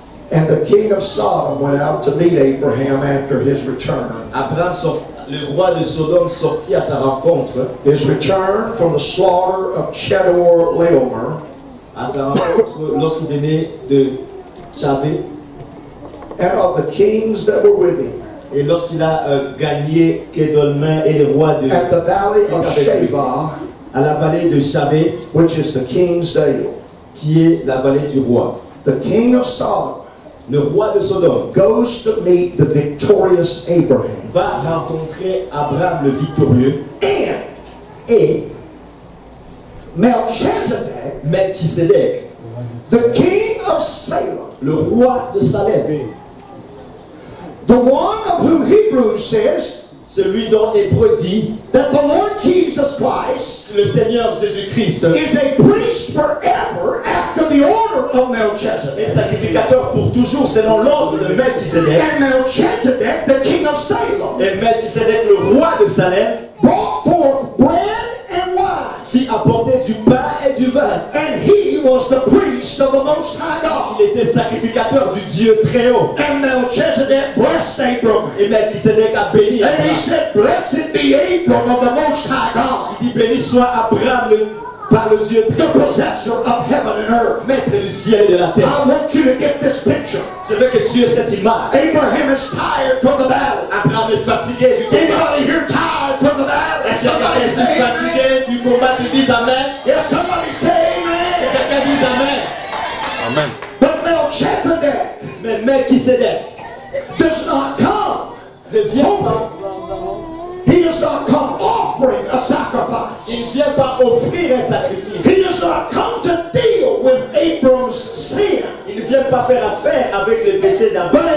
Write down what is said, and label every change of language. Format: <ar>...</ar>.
<en>and the king of Sodom went out to meet Abraham after his return.</en> <fr>Abraham, le roi de Sodome, sortit à sa rencontre.</fr> <en>His return from the slaughter of Chedor Laomer.</en> <fr>À sa rencontre, lorsqu'il venait de Chavé,</fr> <en>and of the kings that were with him.</en> <fr>Et lorsqu'il a gagné Kedolmin et les rois de</fr> <en>Sheva,</en> <fr>à la vallée de Shavé,</fr> <en>which is the king's dale,</en> <fr>qui est la vallée du roi,</fr> <en>the king of Sodom,</en> <fr>le roi de Sodome,</fr> <en>goes to meet the victorious Abraham,</en> <fr>va rencontrer Abraham le victorieux,</fr> <en>et Melchizedek, the king of Salem,</en> <fr>le roi de Salem.</fr> <en>The one of whom Hebrews says,</en> <fr>celui dont Hébreu dit,</fr> <en>that the Lord Jesus Christ,</en> <fr>le Seigneur Jésus Christ,</fr> <en>is a priest forever after the order of Melchizedek,</en> <fr>est sacrificateur pour toujours selon l'ordre de Melchizedek,</fr> <en>and Melchizedek, the king of Salem.</en> <fr>Et Melchizedek, le roi de Salem,</fr> <en>brought forth bread and wine.</en> <fr>Qui apportait du pain et du vin.</fr> <en>And he was the priest of the Most High God.</en> <fr>Il était sacrificateur du Dieu très haut.</fr> <en>And Melchizedek blessed Abram.</en> <fr>Et Melchizedek a béni Abraham.</fr> <en>And he said, "Blessed be Abram of the Most High God."</en> <fr>Il dit, béni soit Abraham le par le Dieu,</fr> <en>the possessor of heaven and earth,</en> <fr>maître du ciel et de la terre.</fr> <en>I want you to get this picture.</en> <fr>Je veux que tu aies cette image.</fr> <en>Abraham is tired from the battle.</en> <fr>Abraham est fatigué du combat.</fr> <en>Anybody here tired from the battle? Somebody say amen.</en> <fr>Fatigué du combat, tu dis amen.</fr> <en>Yes, somebody say amen.</en> <fr>Et quelqu'un dit amen. Amen.</fr> <en>But Melchizedek,</en> <fr>mais Melchizedek,</fr> <en>does not come.</en> <fr>Ne vient pas.</fr> <en>He does not come offering a sacrifice.</en> <fr>Il ne vient pas offrir un sacrifice.</fr> <en>He does not come to deal with Abram's sin.</en> <fr>Il ne vient pas faire affaire avec le péché d'Abraham.</fr>